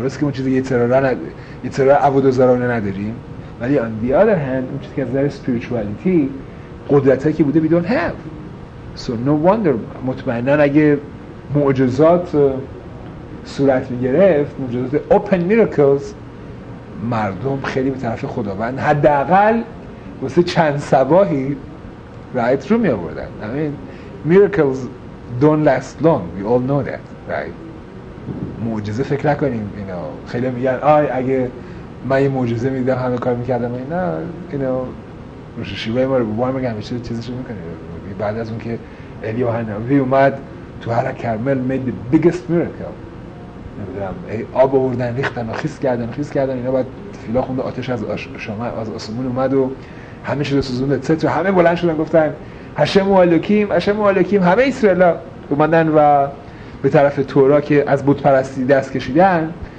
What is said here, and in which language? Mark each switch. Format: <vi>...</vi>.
<fa>درست که اون چیزی یه ترارا عبودزارانه نداریم ولی on the other hand اون چیزی که از نظر spirituality قدرت هایی که بوده we don't have. So no wonder مطمئنن اگه معجزات صورت میگرفت معجزات open miracles مردم خیلی به طرف خداوند حداقل واسه چند سباهی right رو می آوردن.</fa> <en>I mean miracles don't last long, we all know that right.</en> <fa>معجزه فکر نکنیم اینا خیلی میگن آی اگه من یه معجزه میدیدم همه کار میکردم اینا اینا روش شیوه ما رو بوار میگم چیز چیزش میکنیم. بعد از اون که الیو هنوی اومد تو هر کرمل made the biggest miracle نمیدونم آب آوردن ریختن و خیس کردن اینا بعد فیلا خونده آتش از شما از آسمون اومد و همه شده سوزوند تو همه بلند شدن گفتن هشم و الکیم همه اسرائیل ها اومدن و به طرف تورا که از بت پرستی دست کشیدن.</fa>